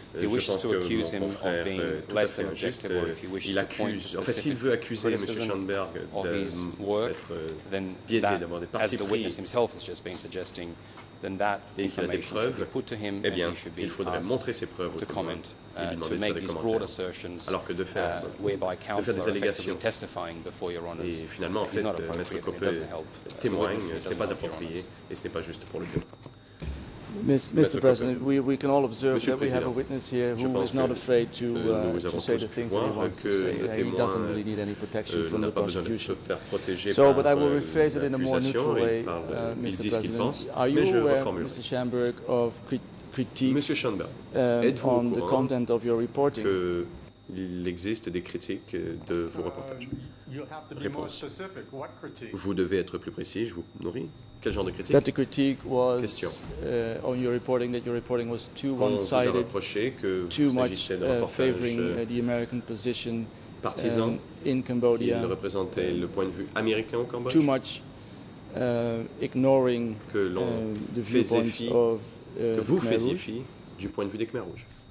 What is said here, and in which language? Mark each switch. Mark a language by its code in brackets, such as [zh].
[en] He wishes to accuse him of being less than objective, or if he wishes to point to specific criticism of his work, then that, as the witness himself has just been suggesting, then that information should be put to him and he should be asked to comment, to make these broad assertions, whereby counsel are effectively testifying before Your Honours. It's not appropriate, it doesn't help. [fr] Témoigne, ce n'est pas approprié et ce n'est pas juste pour le témoin. [en] Mr. President, we can all observe that we have a witness here who is not afraid to say the things that he wants to say. He doesn't really need any protection from the prosecution. So, but I will rephrase it in a more neutral way, Mr. President. Are you aware, Mr. Schamberg, of critique on the content of your reporting? [fr] Il existe des critiques de vos reportages. Réponse. Vous devez être plus précis, je vous nourris. Quel genre de critique? [en] That the critique was, question. On your reporting, that your reporting was too one-sided, too much favoring the American position partisan in Cambodia, [fr] qui représentait le point de vue américain au Cambodge, [en] too much ignoring [fr] que l'on [en] the viewpoint [fr] fi, [en] of [fr] que vous faisiez fi du point de vue des Khmer Rouges.